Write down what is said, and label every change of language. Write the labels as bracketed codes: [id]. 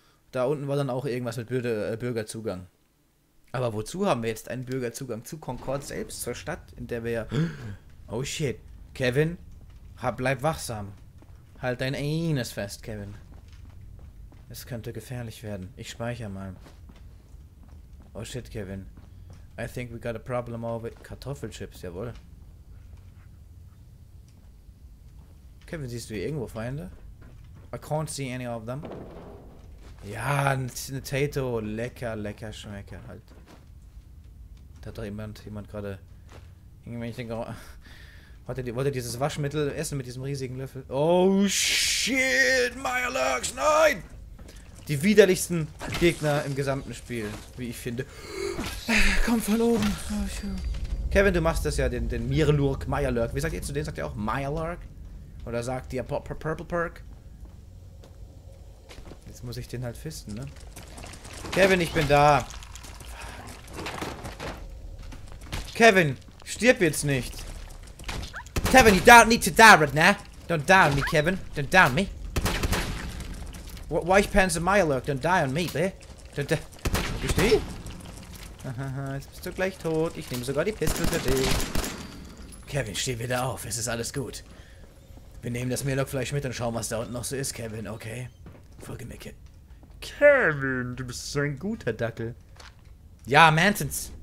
[de] Da unten war dann auch irgendwas mit Bürgerzugang. Aber wozu haben wir jetzt einen Bürgerzugang zu Concord selbst, zur Stadt, in der wir ja... Oh shit. Kevin, bleib wachsam. Halt dein Anus fest, Kevin. Es könnte gefährlich werden. Ich speichere mal. Oh shit, Kevin. [en] I think we got a problem over Kartoffelchips, jawohl. [de] Kevin, siehst du hier irgendwo Feinde? [en] I can't see any of them. [de] Ja, ein Tato. Lecker, lecker, schmecker halt. Da hat doch jemand gerade... Ich denke, wollte dieses Waschmittel essen mit diesem riesigen Löffel? Oh shit, Meyer Lurks, nein! Die widerlichsten Gegner im gesamten Spiel, wie ich finde. Komm von oben. Kevin, du machst das ja, den Mirelurk, Meyer Lurk. Wie sagt ihr zu denen? Sagt ihr auch Meyer Lurk? Oder sagt ihr Purple Perk? Jetzt muss ich den halt fisten, ne? Kevin, ich bin da. Kevin, stirb jetzt nicht. [en] Kevin, you don't need to die right now. Don't die on me, Kevin. Don't die on me. White pants and Meyer Lurk, don't die on me, bleh. Don't die. [de] Ich stehe. Jetzt bist du gleich tot. Ich nehme sogar die Pistole für dich. Kevin, steh wieder auf. Es ist alles gut. Wir nehmen das Meerlockfleisch mit und schauen, was da unten noch so ist, Kevin, okay? Folge mir, Kevin, du bist so ein guter Dackel. Ja, Mantens.